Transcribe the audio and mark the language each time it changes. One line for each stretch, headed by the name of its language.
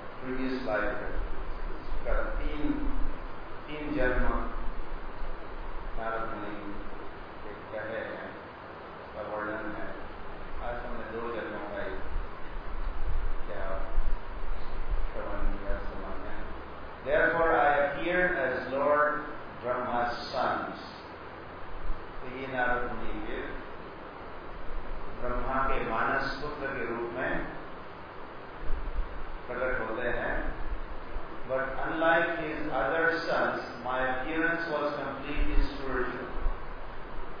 English: Previous life,
Hindi: इसका तीन जन्म नारद मुनि के कहे हैं, इसका वर्णन है. आज हमने दो जन्मों का ही क्या श्रवण किया समान है.
English: Therefore I appeared as Lord Brahma's sons.
Hindi: तो ये नारद मुनि के ब्रह्मा के मानस पुत्र के रूप में प्रकट होते हैं.
English: But unlike his other sons my appearance was completely spiritual.